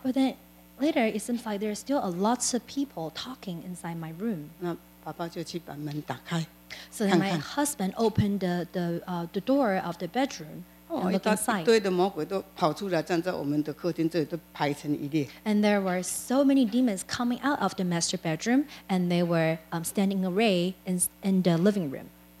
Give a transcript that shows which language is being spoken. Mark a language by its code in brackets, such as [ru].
[en] But then later, it seems like there are still lots of people talking inside my room. [zh] 那爸爸就去把门打开。 [en] So then my husband opened the door of the bedroom and looked inside. [zh] 一堆的魔鬼都跑出来站在我们的客厅这里都排成一列。 [en] And there were so many demons coming out of the master bedroom and they were standing array in the living room.